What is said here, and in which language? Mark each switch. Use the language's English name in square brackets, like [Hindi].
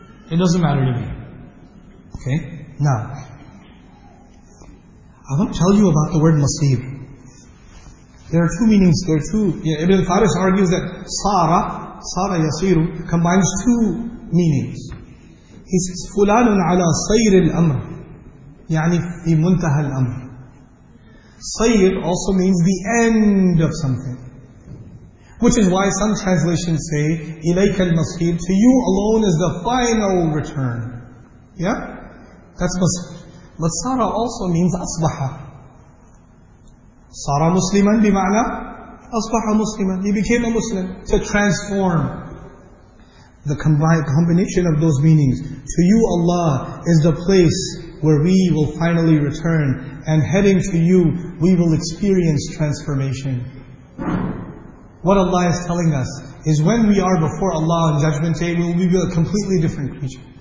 [English] It doesn't matter to me. Okay? Now, I want to tell you about the word masir. There are two meanings. There are two. Yeah, Ibn Faris argues that Sara yasiru combines two meanings. He says, [Arabic] فُلَانٌ عَلَى صَيْرِ الْأَمْرِ يعني فِي مُنْتَهَى الْأَمْرِ. [English] صَيْرِ also means the end of something. Which is why some translations say, [Arabic] إِلَيْكَ الْمَصِيرِ, [English] to you alone is the final return. Yeah? That's مَصِيرِ. But Sara also means أَصْبَحَ. [Arabic] صَارَ مُسْلِمًا بِمَعْنَى أَصْبَحَ مُسْلِمًا. [English] He became a Muslim. To transform. The combination of those meanings. To you, Allah, is the place where we will finally return. And heading to you, we will experience transformation. What Allah is telling us is when we are before Allah on Judgment Day, we will be a completely different creature.